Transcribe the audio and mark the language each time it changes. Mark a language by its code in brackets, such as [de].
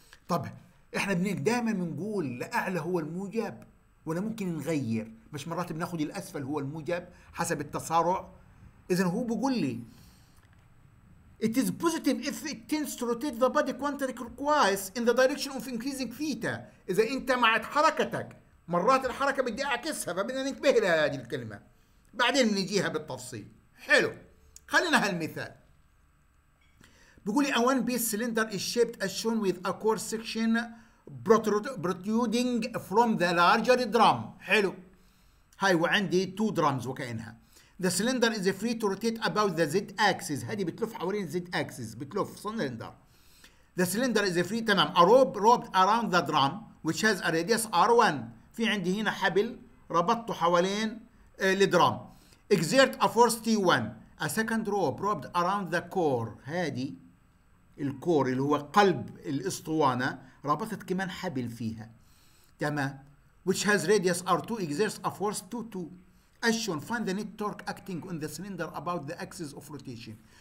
[ar] طب احنا دائما بنقول لأعلى هو الموجب، ولا ممكن نغير؟ مش مرات بناخد الأسفل هو الموجب حسب التسارع؟ إذن هو بيقول لي [en] it is positive if it tends to rotate the body counterclockwise in the direction of increasing theta. [ar] إذا أنت مع حركتك، مرات الحركة بدي أعكسها، فبدنا ننتبه لها هذه الكلمة، بعدين نجيها بالتفصيل. حلو، خلينا هالمثال. بيقول لي [en] a one piece cylinder is shaped as shown with a coarse section protruding from the larger drum. [ar] حلو، هاي وعندي [en] two drums [ar] وكأنها. [en] The cylinder is free to rotate about the z-axis. [ar] هذه بتلف حوالين z-axis، بتلف cylinder. [en] The cylinder is free. [ar] تمام. [en] A rope wrapped around the drum which has a radius r1. [ar] في عندي هنا حبل ربطته حوالين الدرام. [en] Exert a force t1. A second rope wrapped around the core. [ar] هذه الكور اللي هو قلب الاسطوانة، ربطت كمان حبل فيها. تمام. [en] which has radius r2 exerts a force 2 as shown. Find the net torque acting on the cylinder about the axis of rotation.